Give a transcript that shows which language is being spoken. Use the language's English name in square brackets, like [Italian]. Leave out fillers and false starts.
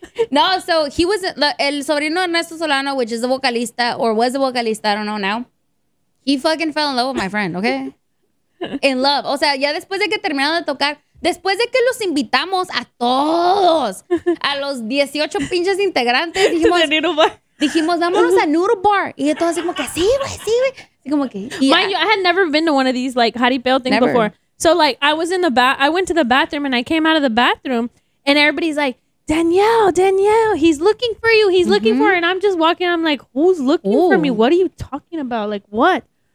[English] No, so he was [Spanish] el sobrino de Ernesto Solano, [English] which is the vocalista, or was the vocalista, I don't know now. He fucking fell in love with my friend, okay? In love. [Spanish] O sea, ya después de que terminaron de tocar, después de que los invitamos a todos, a los 18 pinches integrantes, dijimos, vámonos a Noodle Bar. Y de todos así como que, sí, güey, sí, güey. Así como que, [English] yeah. Mind you, I had never been to one of these, like, jaripeo things before. So, like, I was in the bath. I went to the bathroom and I came out of the bathroom and everybody's like, Danielle, he's looking for you. He's looking for her. And I'm just walking. I'm like, who's looking for me? What are you talking about? Like, what?